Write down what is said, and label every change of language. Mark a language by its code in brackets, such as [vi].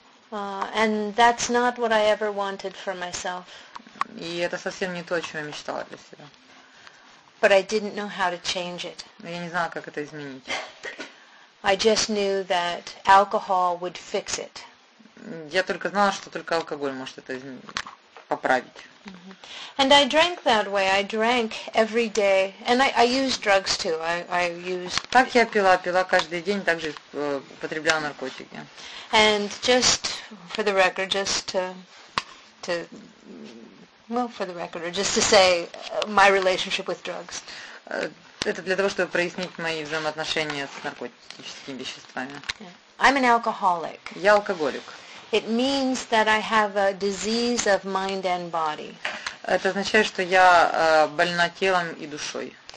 [en] And that's not what I ever wanted for myself. [ru] И это совсем не то, о чем я мечтала для себя. [en] But I didn't know how to change it. [ru] Я не знала, как это изменить. [en] I just knew that alcohol would fix it. [ru] Я только знала, что только алкоголь может это поправить. [en] And I drank that way. I drank every day, and I used drugs too. I used. [ru] Так я пила каждый день, также употребляла наркотики. [en] And just for the record, just to say my relationship with drugs. [ru] Это для того, чтобы прояснить мои взаимоотношения с наркотическими веществами. [en] Yeah. I'm an alcoholic. [ru] Я алкоголик. [en] It means that I have a disease of mind and body. [ru] Это означает, что я больна телом и душой.